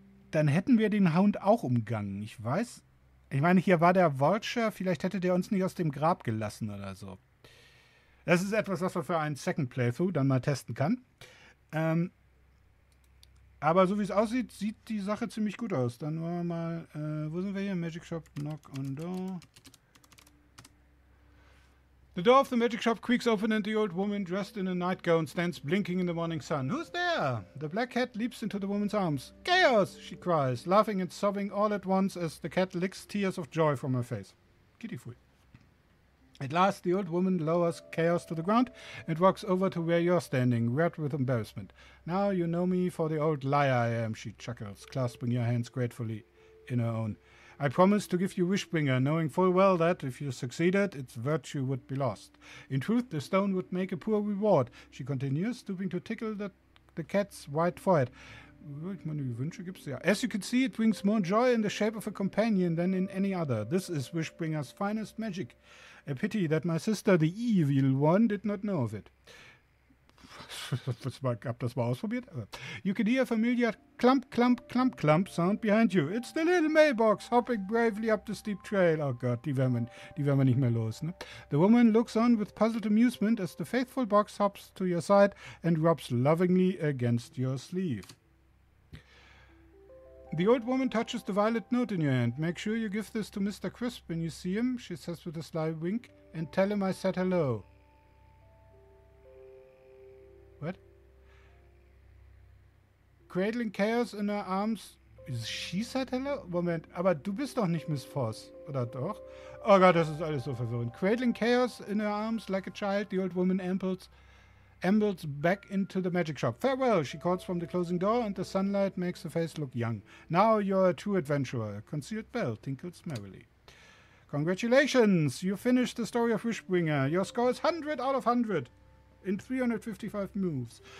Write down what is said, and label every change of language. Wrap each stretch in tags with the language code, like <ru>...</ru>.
<de>Dann hätten wir den Hund auch umgangen. Ich weiß... Ich meine, hier war der Vulture, vielleicht hätte der uns nicht aus dem Grab gelassen oder so. Das ist etwas, was man für einen Second Playthrough dann mal testen kann. Aber so wie es aussieht, sieht die Sache ziemlich gut aus. Dann wollen wir mal, wo sind wir hier?</de> <en>Magic Shop, knock on door. The door of the magic shop creaks open and the old woman dressed in a nightgown stands blinking in the morning sun. Who's there? The black cat leaps into the woman's arms. Chaos! She cries, laughing and sobbing all at once as the cat licks tears of joy from her face. Kitty fui. At last, the old woman lowers Chaos to the ground and walks over to where you're standing, red with embarrassment. Now you know me for the old liar I am, she chuckles, clasping your hands gratefully in her own. I promise to give you Wishbringer, knowing full well that if you succeeded, its virtue would be lost. In truth, the stone would make a poor reward. She continues, stooping to tickle the cat's white forehead.</en> <de>Ich meine, die Wünsche gibt's ja.</de> <en>As you can see, it brings more joy in the shape of a companion than in any other. This is Wishbringer's finest magic. A pity that my sister, the evil one, did not know of it.</en> <de>Hab das mal ausprobiert.</de> <en>You can hear a familiar clump, clump, clump, clump sound behind you. It's the little mailbox hopping bravely up the steep trail.</en> <de>Oh Gott, die werden wir nicht mehr los. Ne?</de> <en>The woman looks on with puzzled amusement as the faithful box hops to your side and rubs lovingly against your sleeve. The old woman touches the violet note in your hand. Make sure you give this to Mr. Crisp when you see him, she says with a sly wink, and tell him I said hello. What? Cradling chaos in her arms. She said hello?</en> <de>Moment, aber du bist doch nicht Miss Foss, oder doch? Oh Gott, das ist alles so verwirrend.</de> <en>Cradling chaos in her arms like a child, the old woman ambles back into the magic shop. Farewell, she calls from the closing door, and the sunlight makes the face look young. Now you're a true adventurer. A concealed bell tinkles merrily. Congratulations, you finished the story of Wishbringer. Your score is 100 out of 100 in 355 moves.</en>